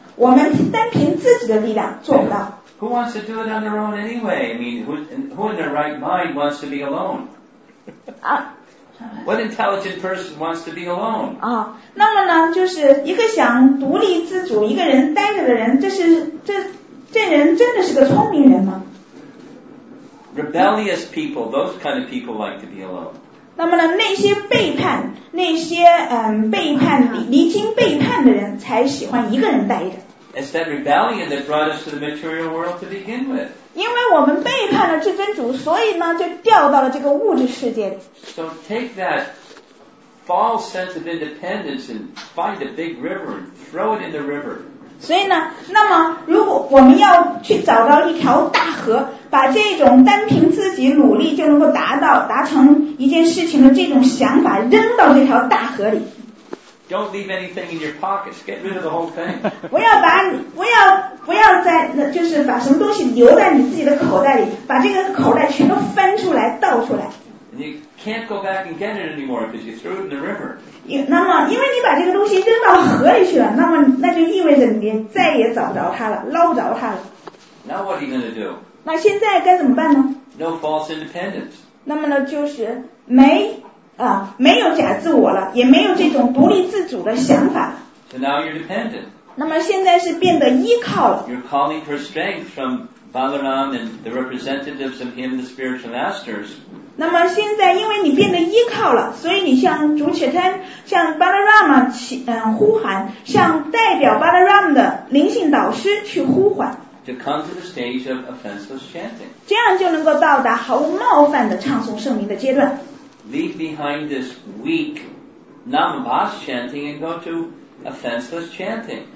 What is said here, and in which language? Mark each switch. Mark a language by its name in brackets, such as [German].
[Chinese] 我们单凭自己的力量做不到 [English] Who wants to do it on their own anyway? I mean who in their right mind wants to be aloneWhat intelligent person wants to be alone? [Chinese] 那么呢，就是一个想独立自主、一个人待着的人，这人真的是个聪明人吗 [English] ？Rebellious people, those kind of people like to be alone. [Chinese] 那么呢，那些背叛、那些背叛、离经背叛的人，才喜欢一个人待着。 [English] It's that rebellion that brought us to the material world to begin with. [Chinese] 因为我们背叛了至尊主，所以呢，就掉到了这个物质世界里。 [English] So take that false sense of independence and find a big river and throw it in the river. [Chinese] 所以呢，那么如果我们要去找到一条大河，把这种单凭自己努力就能够达成一件事情的这种想法扔到这条大河里。 [English] Don't leave anything in your pockets. Get rid of the whole thing. [Chinese] 不要在就是把什么东西留在你自己的口袋里，把这个口袋全都翻出来倒出来。 [English] And you can't go back and get it anymore because you threw it in the river. [Chinese] 那么因为你把这个东西扔到河里去了，那么那就意味着你再也找不着它了，捞不着它了。 [English] Now what are you going to do? [Chinese] 那现在该怎么办呢 [English] ？No false independence. [Chinese] 那么呢，就是没有假自我了，也没有这种独立自主的想法。 [English] So now you're dependent. [Chinese] 那么现在是变得依靠了。 [English] You're calling for strength from Balaram and the representatives of him, the spiritual masters. [Chinese] 那么现在因为你变得依靠了，所以你向主切坦，向 Balaram 呼喊，向代表 Balaram 的灵性导师去呼唤。 [English] To come to the stage of offenseless chanting. [Chinese] 这样就能够到达毫无冒犯的唱诵圣名的阶段。 [English] Leave behind this weak, namabas chanting and go to offenseless chanting.